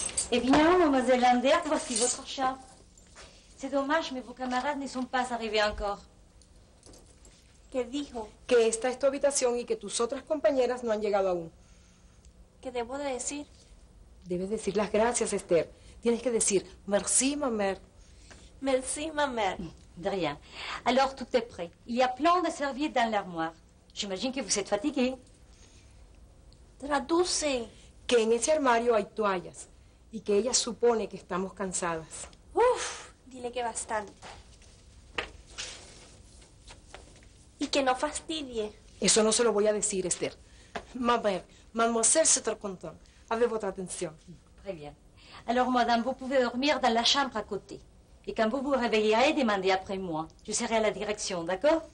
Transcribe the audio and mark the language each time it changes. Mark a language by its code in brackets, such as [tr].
[fr] Eh bien, mademoiselle Ander, voici votre chat. C'est dommage, mais vos camarades ne sont pas arrivés encore. [es] ¿Qué dijo? Que esta es tu habitación y que tus otras compañeras no han llegado aún. ¿Qué debo de decir? Debes decir las gracias, Esther. Tienes que decir [fr] merci, ma mère. Merci, ma mère. De rien. Alors, tout est prêt. Il y a plein de serviettes dans l'armoire. J'imagine que vous êtes fatigué. [es] Traduce. Que en ese armario hay toallas. Y que ella supone que estamos cansadas. Uf, dile que bastante. Y que no fastidie. Eso no se lo voy a decir, Esther. [fr] Ma mère, mademoiselle, c'est trop content. Avez votre atención. Très bien. Alors, madame, vous pouvez dormir dans la chambre à côté. Et quand vous vous réveillerez, demandez après moi. Je serai à la direction, d'accord?